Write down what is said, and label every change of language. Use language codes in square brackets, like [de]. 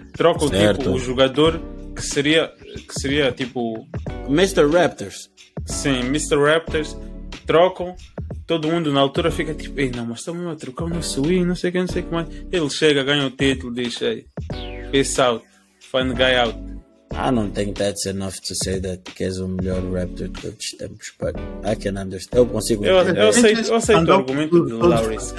[pt] Troca o tipo o jogador que seria tipo Mr. Raptors. Sim, Mr. Raptors. Trocam, todo mundo na altura fica tipo, ei, não, mas estamos a trocar o nosso win, não sei o que, não sei o que mais. Ele chega, ganha o título, diz, ei, [en] peace out, find guy out. I don't think that's enough to say that [pt] que és o melhor Raptor de todos os tempos, [en] but I can understand. [pt] Eu consigo entender. Eu aceito o argumento do Lowry.